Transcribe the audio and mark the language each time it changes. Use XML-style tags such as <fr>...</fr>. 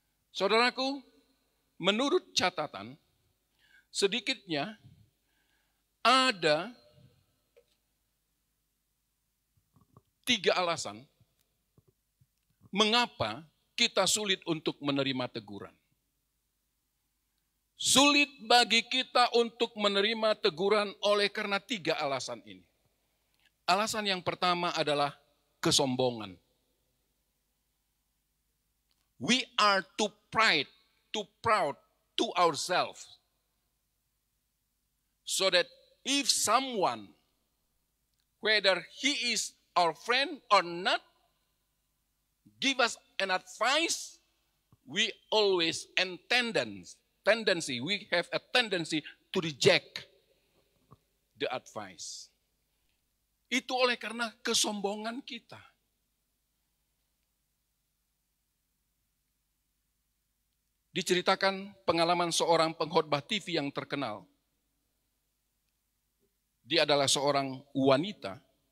<id>Saudaraku, menurut catatan, sedikitnya ada 3 alasan mengapa kita sulit untuk menerima teguran. Sulit bagi kita untuk menerima teguran oleh karena 3 alasan ini. Alasan yang pertama adalah kesombongan.</id> <en>We are too proud to ourselves, so that if someone, whether he is our friend or not, give us an advice, we always have a tendency to reject the advice.</en> <id>Itu oleh karena kesombongan kita. Diceritakan pengalaman seorang pengkhotbah TV yang terkenal. Dia adalah seorang wanita.</id>